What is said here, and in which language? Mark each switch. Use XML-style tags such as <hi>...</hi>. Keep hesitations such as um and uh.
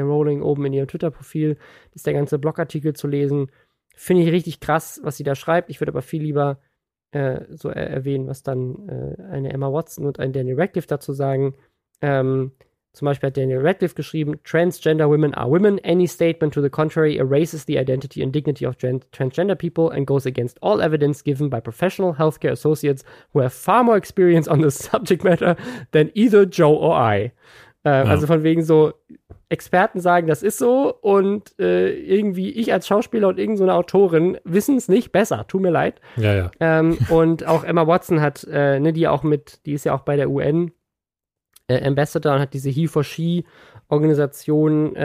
<de>Rowling oben in ihrem Twitter-Profil, Das ist der ganze Blogartikel zu lesen. Finde ich richtig krass, was sie da schreibt. Ich würde aber viel lieber äh, so er erwähnen, was dann äh, eine Emma Watson und ein Daniel Radcliffe dazu sagen. Ähm, zum Beispiel hat Daniel Radcliffe geschrieben,</de> <en>Transgender women are women. Any statement to the contrary erases the identity and dignity of gen- transgender people and goes against all evidence given by professional healthcare associates who have far more experience on the subject matter than either Joe or I.</en> <de>Äh, Also von wegen so, Experten sagen, das ist so und äh, irgendwie ich als Schauspieler und irgendeine so eine Autorin wissen es nicht besser. Tut mir leid. ja, ja. Ähm, und auch Emma Watson hat, äh, ne, die auch mit, die ist ja auch bei der UN äh, Ambassador und hat diese He for She Organisation.</de>